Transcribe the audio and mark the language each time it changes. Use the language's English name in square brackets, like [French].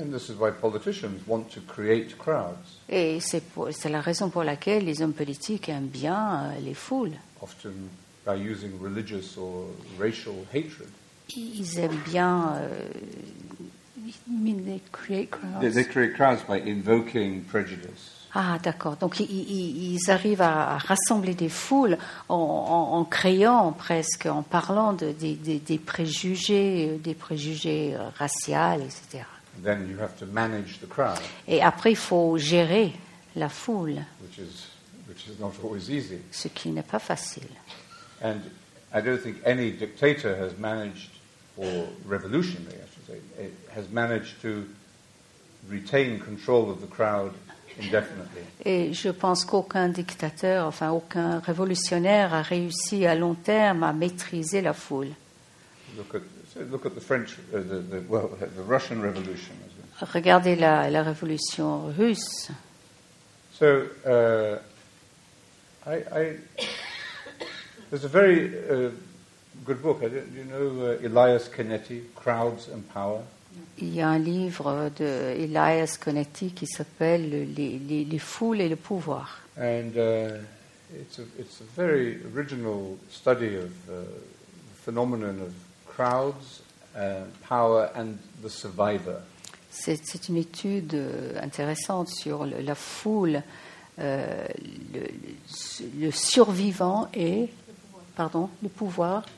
[English] And this is why politicians want to create crowds. [French] Et c'est la raison pour laquelle les hommes politiques aiment bien les foules. [English] Often by using religious or racial hatred. [French] Ils aiment bien [English] they create crowds. They create crowds by invoking prejudice. [French] Ah, d'accord. Donc ils arrivent à rassembler des foules en créant presque, en parlant des préjugés raciaux, etc. [English] Then you have to manage the crowd. [French] Et après, il faut gérer la foule. [English] Which is not always easy. [French] Ce qui n'est pas facile. [English] And I don't think any dictator has managed, or revolutionary, I should say, has managed to retain control of the crowd. [French] Et je pense qu'aucun dictateur, enfin aucun révolutionnaire, a réussi à long terme à maîtriser la foule. Regardez la révolution russe. [English] So, there's a very good book. Elias Canetti, Crowds and Power. [French] Il y a un livre de Elias Canetti qui s'appelle Les foules et le pouvoir. [English] And it's a very original study of the phenomenon of crowds, power and the survivor. [French] C'est une étude intéressante sur la foule, le survivant et le pouvoir.